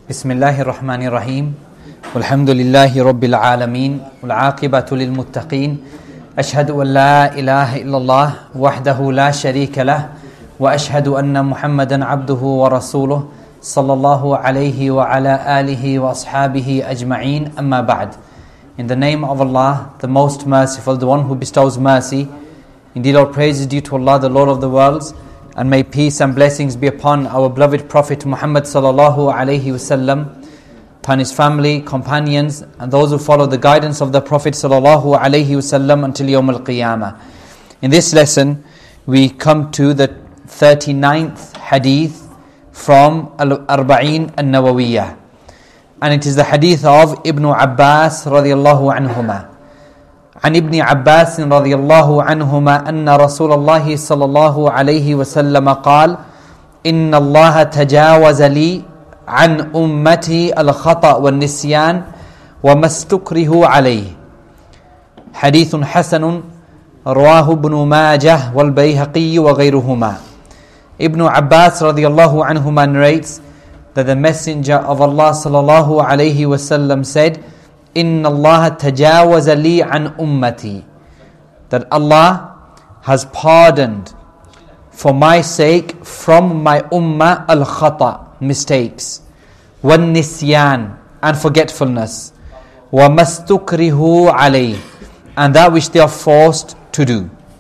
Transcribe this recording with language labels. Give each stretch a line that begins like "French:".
Arabic: بسم الله الرحمن الرحيم والحمد لله رب العالمين والعاقبة للمتقين أشهد أن لا إله إلا الله وحده لا شريك له وأشهد أن محمدا عبده ورسوله صلى الله عليه وعلى آله وأصحابه أجمعين أما بعد.
English: In the name of Allah, the Most Merciful, the One who bestows mercy, indeed all praise is due to Allah, the Lord of the worlds. And may peace and blessings be upon our beloved Prophet Muhammad sallallahu alaihi wasallam, upon his family, companions, and those who follow the guidance of the Prophet sallallahu alaihi wasallam until Yawm al-Qiyamah. In this lesson, we come to the 39th hadith from Al-Arba'een al-Nawawiyyah. And it is the hadith of Ibn Abbas radiallahu anhumah.
Arabic: عن ابن عباس رضي الله عنهما أن رسول الله صلى الله عليه وسلم قال إن الله تجاوز لي عن أمتي الخطأ والنسيان وما استكره عليه. حديث حسن رواه ابن ماجه والبيهقي وغيرهما. ابن عباس رضي الله عنهما
English: narrates that the messenger of Allah
Arabic: صلى الله عليه وسلم
English: said,
Arabic: إِنَّ اللَّهَ تَجَاوَزَ لِي عَنْ أُمَّتِي,
English: that Allah has pardoned for my sake from my ummah al-khata, mistakes, wal-nisyan, and forgetfulness,
Arabic: وَمَسْتُكْرِهُ عَلَيْهِ,
English: and that which they are forced to do.